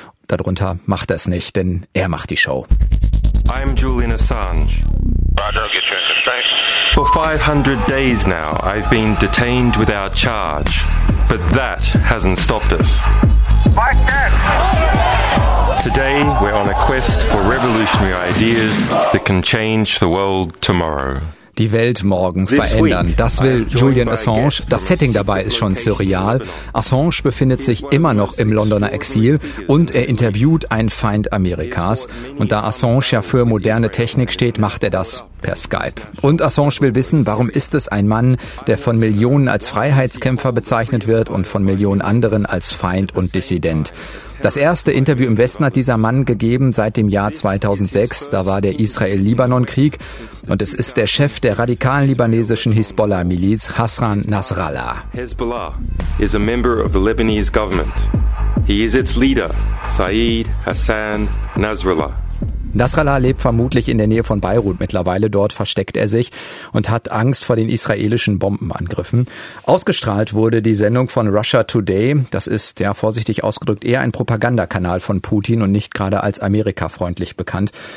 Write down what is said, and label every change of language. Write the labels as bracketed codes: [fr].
[de] Darunter macht er es nicht, denn er macht die Show. [en] I'm Julian Assange. Roger, get your information. For 500 days now, I've been detained without charge. But that hasn't stopped us. Today, we're on a quest for revolutionary ideas that can change the world tomorrow. [de] Die Welt morgen verändern. Das will Julian Assange. Das Setting dabei ist schon surreal. Assange befindet sich immer noch im Londoner Exil und er interviewt einen Feind Amerikas. Und da Assange ja für moderne Technik steht, macht er das per Skype. Und Assange will wissen, warum ist es ein Mann, der von Millionen als Freiheitskämpfer bezeichnet wird und von Millionen anderen als Feind und Dissident. Das erste Interview im Westen hat dieser Mann gegeben seit dem Jahr 2006. Da war der Israel-Libanon-Krieg. Und es ist der Chef der radikalen libanesischen Hisbollah-Miliz, Hassan Nasrallah. [en] Hezbollah is a member of the Lebanese government. He is its leader, Saeed Hassan Nasrallah. [de] Nasrallah lebt vermutlich in der Nähe von Beirut mittlerweile. Dort versteckt er sich und hat Angst vor den israelischen Bombenangriffen. Ausgestrahlt wurde die Sendung von Russia Today. Das ist, ja, vorsichtig ausgedrückt, eher ein Propagandakanal von Putin und nicht gerade als amerikafreundlich bekannt.